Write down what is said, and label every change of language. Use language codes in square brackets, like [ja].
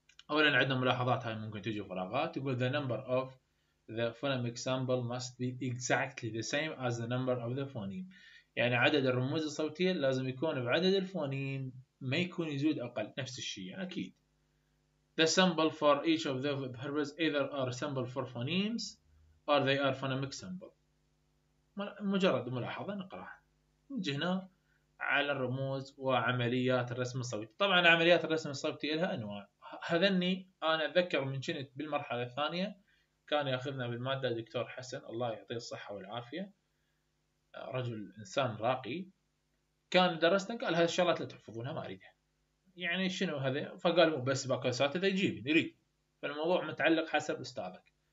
[ar] اولا عندنا ملاحظات، هاي ممكن تجي فراغات، يقول [en] the number of the phoneme [ar] example must be exactly the same as the number of the phoneme، يعني عدد الرموز الصوتية لازم يكون بعدد الفونيم، ما يكون يزيد أقل، نفس الشيء أكيد. [en] The symbol for each of the verbs either are symbol for phonemes or they are phoneme example. [ar] مجرد ملاحظة نقرأها. نجي هنا على الرموز وعمليات الرسم الصوتي. طبعا عمليات الرسم الصوتي لها أنواع، هذني أنا أتذكر من كنت بالمرحلة الثانية كان ياخذنا بالماده دكتور حسن الله يعطيه الصحه والعافيه، رجل انسان راقي، كان درسنا قال هذه الشغلات لا تحفظونها ما اريدها، يعني شنو هذا؟ فقال مو بس باكوسات اذا يجيب يريد، فالموضوع متعلق حسب استاذك.